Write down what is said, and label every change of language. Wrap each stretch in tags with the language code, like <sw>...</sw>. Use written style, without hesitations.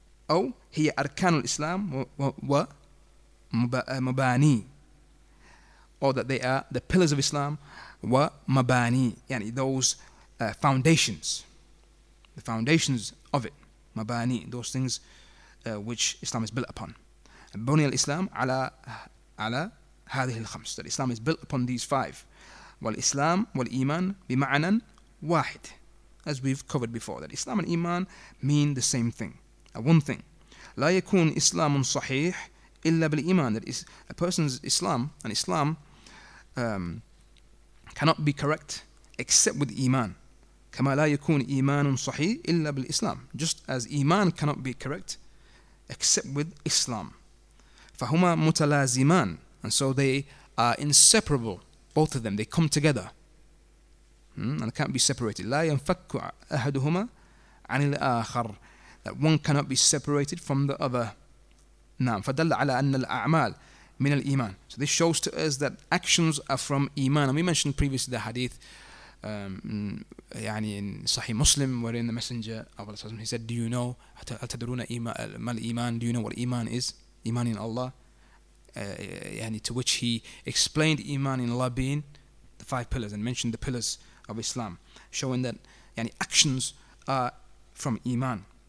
<ar>أو هي أركان الإسلام ومباني,</ar> <en>or that they are the pillars of Islam ومباني, يعني those foundations, the foundations of it, mabani, those things which Islam is built upon.</en> <ar>Buni al-Islam ala هذه الخمس.</ar> <en>That Islam is built upon these five.</en> <ar>والإسلام والإيمان بمعنى واحد.</ar> <en>As we've covered before, that Islam and Iman mean the same thing, one thing.</en> <ar>لا يكون إسلام صحيح إلا بالإيمان.</ar> <en>That is, a person's Islam, and Islam cannot be correct except with Iman.</en> <ar>كما لا يكون إيمان صحيح إلا بالإسلام.</ar> <en>Just as Iman cannot be correct except with Islam.</en> <ar>فهما متلازمان.</ar> <en>And so they are inseparable, both of them. They come together. And can't be separated.</en> <ar>لا ينفك أحدهما عن الآخر.</ar> <en>That one cannot be separated from the other.</en> <ar>نعم. فدل على أن الأعمال من الإيمان.</ar> <en>So this shows to us that actions are from Iman. And we mentioned previously the hadith يعني in Sahih Muslim, wherein the Messenger of Allah, he said, do you know,</en> <ar>هل تدرون ما الإيمان?</ar> <en>Do you know what Iman is? Iman in Allah. يعني to which he explained Iman in Allah being the five pillars and mentioned the pillars of Islam, showing that يعني actions are from Iman.</en>